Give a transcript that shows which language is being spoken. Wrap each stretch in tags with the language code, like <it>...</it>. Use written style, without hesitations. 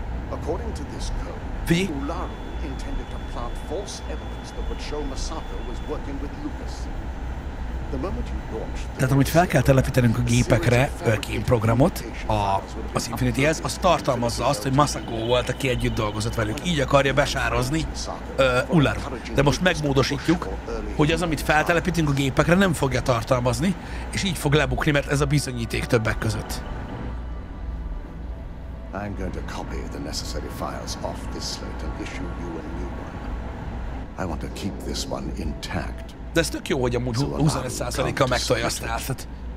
<en>According to this code, Ullaru intended to plant false evidence that would show Masako was working with Lucas. The moment you launched,</en> <hu>tehát amit fel kell telepítenünk a gépekre, game programot, az Infinity-hez, az tartalmazza azt, hogy Masako volt, aki együtt dolgozott velük. Így akarja besározni Ullaru. De most megmódosítjuk, hogy az, amit feltelepítünk a gépekre, nem fogja tartalmazni, és így fog lebukni, mert ez a bizonyíték többek között.</hu> <en>I'm going to copy the necessary files off this slate and issue you a new one. I want to keep this one intact.</en> <hu>De ez tök jó, hogy amúgy 25%-a megtolja a stealth-et.</hu>